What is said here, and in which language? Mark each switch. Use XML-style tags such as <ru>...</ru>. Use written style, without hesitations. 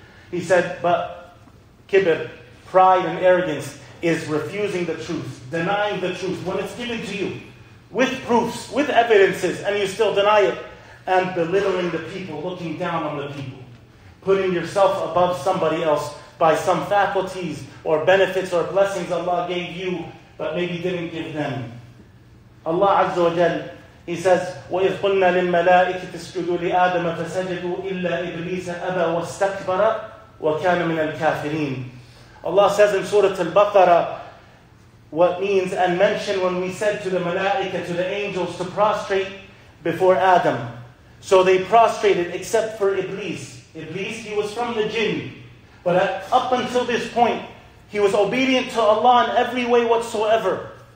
<en>He said, but kibir, pride and arrogance, is refusing the truth, denying the truth when it's given to you with proofs, with evidences, and you still deny it, and belittling the people, looking down on the people, putting yourself above somebody else by some faculties or benefits or blessings Allah gave you but maybe didn't give them.</en> <ar>Allah Azza wa Jal, He says, وَإِذْ قُلْنَا لِلْمَلَائِكَةِ اسْجُدُوا لِآدَمَ فَسَجَدُوا إِلَّا إِبْلِيسَ أَبَى وَاسْتَكْبَرَ وَكَانَ مِنَ الْكَافِرِينَ.</ar> <en>Allah says in Surah Al-Baqarah what means and mention when we said to the Malaika, to the angels, to prostrate before Adam. So they prostrated except for Iblis. Iblis, he was from the jinn. But up until this point, he was obedient to Allah in every way whatsoever.</en>